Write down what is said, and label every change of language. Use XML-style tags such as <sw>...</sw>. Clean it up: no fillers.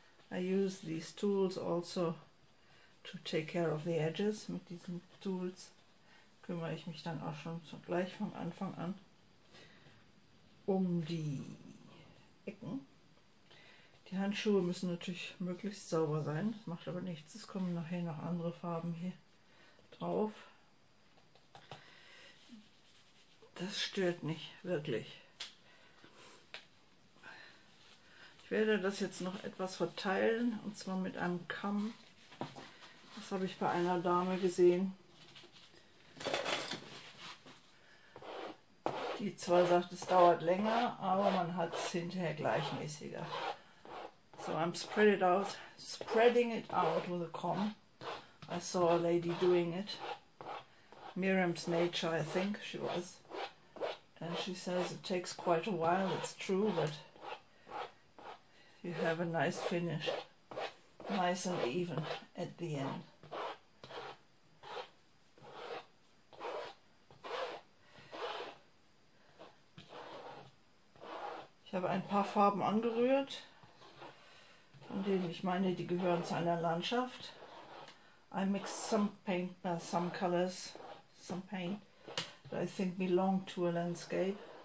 <en>I use these tools also to take care of the edges.</en> <de>Mit diesen Tools kümmere ich mich dann auch schon gleich von Anfang an um die Ecken. Die Handschuhe müssen natürlich möglichst sauber sein, das macht aber nichts. Es kommen nachher noch andere Farben hier drauf. Das stört nicht wirklich. Ich werde das jetzt noch etwas verteilen, und zwar mit einem Kamm. Das habe ich bei einer Dame gesehen, die zwar sagt, es dauert länger, aber man hat es hinterher gleichmäßiger.</de> <en>So I'm spreading it out with a comb. I saw a lady doing it. Miriam's Nature, I think she was. And she says it takes quite a while, it's true, but you have a nice finish. Nice and even at the end.</en> <de>Ich habe ein paar Farben angerührt, von denen ich meine, die gehören zu einer Landschaft.</de> <en>I mixed some paint, some colors, some paint that I think belong to a landscape.</en>